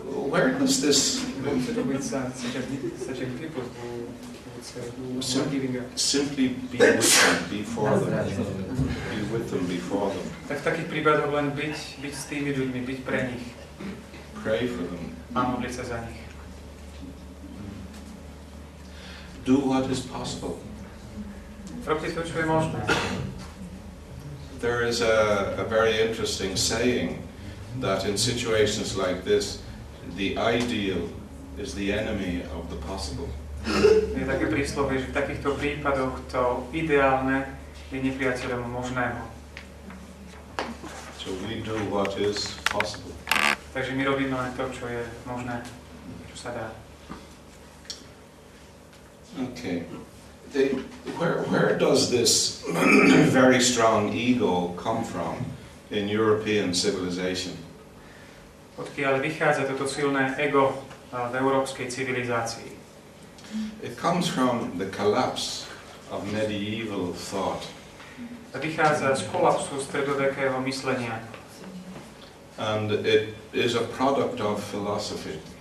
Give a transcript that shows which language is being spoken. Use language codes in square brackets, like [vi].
[en] where does this simply be with them before them. [sk] Tak v takých prípadoch len byť s tými ľuďmi, byť pre nich. [en] Pray for them. [sk] A modliť sa za nich. [en] Do what is possible. [sk] Robte to, čo je možné. [en] There is a very interesting saying that in situations like this, the ideal is the enemy of the possible. [sk] Je také príslovie, že v takýchto prípadoch to ideálne je nepriateľom možného. [en] So we do what is possible. [sk] Takže my robíme len to, čo je možné, čo sa dá. [en] Okay. Where does this very strong ego come from in European civilization? [sk] Odkiaľ vychádza toto silné ego v európskej civilizácii? [en] It comes from the collapse of medieval thought. [sk] Vychádza z kolapsu stredovekého myslenia. [en] And it is a product of philosophy.